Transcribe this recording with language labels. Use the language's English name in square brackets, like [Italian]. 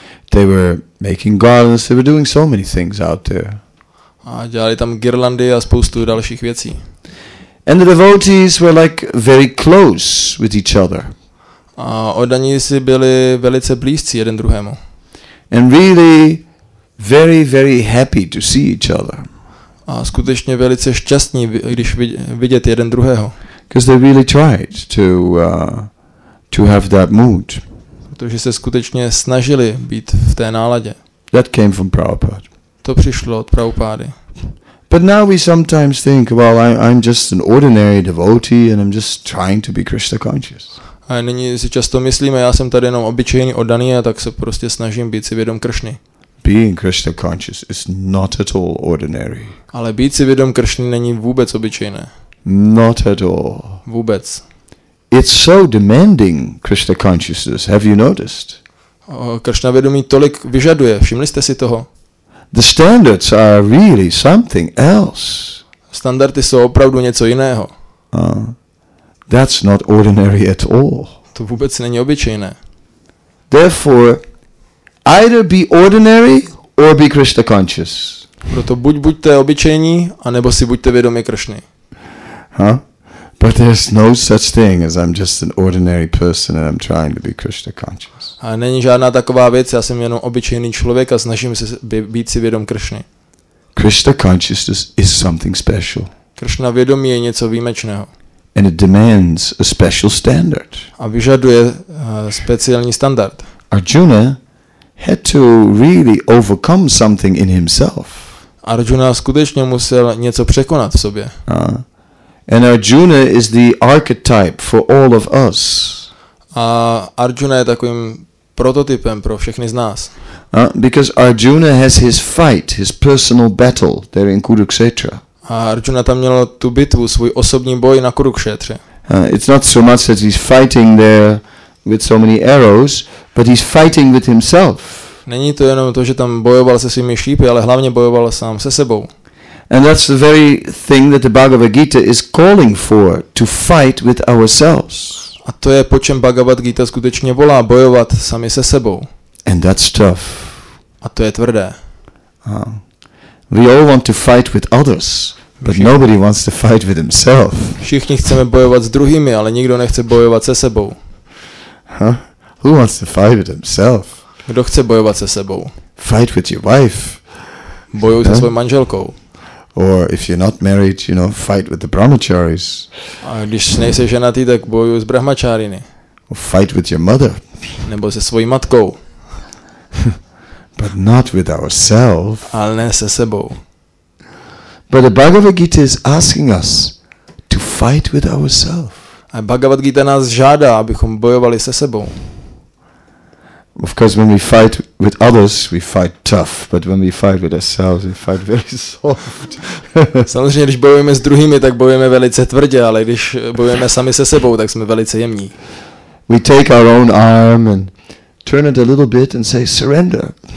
[English] They were making garlands, they were doing so many things out there. [Czech] A dělali tam girlandy a spoustu dalších věcí. [English] And the devotees were like very close with each other. [Czech] A oddaní si byli velice blízcí jeden druhému. [English] And really very, very happy to see each other. [Czech] A skutečně velice šťastní, když vidět jeden druhého. [English] Because they really tried to have that mood. [Czech] Protože se skutečně snažili být v té náladě. [English] That came from Prabhupada. [Czech] To přišlo od Prabhupády. [English] But now we sometimes think, well, I'm just an ordinary devotee and I'm just trying to be Krishna conscious. [Czech] A nyní si často myslíme, já jsem tady jenom obyčejný oddaný a tak se prostě snažím být si vědom Kršny. [English] Being Krishna conscious is not at all ordinary. [Czech] Ale být si vědom Kršny není vůbec obyčejné. [English] Not at all. [Czech] Vůbec. [English] It's so demanding, Krishna consciousness, have you noticed? [Czech] Kršna vědomí tolik vyžaduje, všimli jste si toho? [English] The standards are really something else. [Czech] Standardy jsou opravdu něco jiného. [English] That's not ordinary at all. [Czech] To vůbec není obyčejné. [English] Therefore, either be ordinary or be Krishna conscious. [Czech] Proto buďte obyčejní, anebo si buďte vědomi Kršny. [English] But there's no such thing as I'm just an ordinary person and I'm trying to be Krishna conscious. [Czech] A není žádná taková věc, já jsem jenom obyčejný člověk a snažím se být si vědom Kršny. [English] Krishna consciousness is something special. [Czech] Kršna vědomí je něco výjimečného. [English] And it demands a special standard. [Czech] A vyžaduje speciální standard. [English] Arjuna had to really overcome something in himself. [Czech] Arjuna skutečně musel něco překonat v sobě. [English] And Arjuna is the archetype for all of us. [Czech] A Arjuna je takovým prototypem pro všechny z nás. [English] Because Arjuna has his fight, his personal battle there in Kurukshetra. [Czech] A Arjuna tam měl tu bitvu, svůj osobní boj na Kurukshetře. [English] It's not so much that he's fighting there with so many arrows, but he's fighting with himself. [Czech] Není to jenom to, že tam bojoval se svými šípy, ale hlavně bojoval sám se sebou. [English] And that's the very thing that the Bhagavad Gita is calling for, to fight with ourselves. [Czech] A to je, po čem Bhagavad Gita skutečně volá, bojovat sami se sebou. [English] And that's tough. [Czech] A to je tvrdé. [English] We all want to fight with others, but nobody wants to fight with himself. [Czech] Všichni chceme bojovat s druhými, ale nikdo nechce bojovat se sebou. [English] Who wants to fight with himself? [Czech] Kdo chce bojovat se sebou? [English] Fight with your wife. [Czech] Bojuj se svou manželkou. [English] Or if you're not married, you know, fight with the brahmacharis. [Czech] A když nejsi ženatý, tak bojuj s brahmačáriny. [English] Or fight with your mother. [Czech] Nebo se svojí matkou. [English] But not with ourselves. [Czech] Ale ne se sebou. [English] But the Bhagavad Gita is asking us to fight with ourselves. [Czech] A Bhagavad Gita nás žádá, abychom bojovali se sebou. [English] Of course, when we fight with others, we fight tough. But when we fight with ourselves, we fight very soft. [Czech] Samozřejmě, když bojujeme s druhými, tak bojujeme velice tvrdě, ale když bojujeme sami se sebou, tak jsme velice jemní. [English] We take our own arm and turn it a little bit and say surrender.